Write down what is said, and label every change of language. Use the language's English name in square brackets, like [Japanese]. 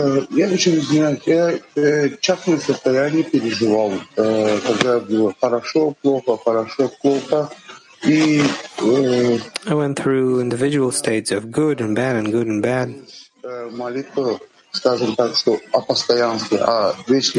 [Russian] Я хочу узнать, я частное состояние переживал, когда было хорошо, плохо, хорошо, плохо. И [English] I went through individual states of good and bad and good and bad. [Russian] Молитва, скажем так, что о постоянстве, о вечности.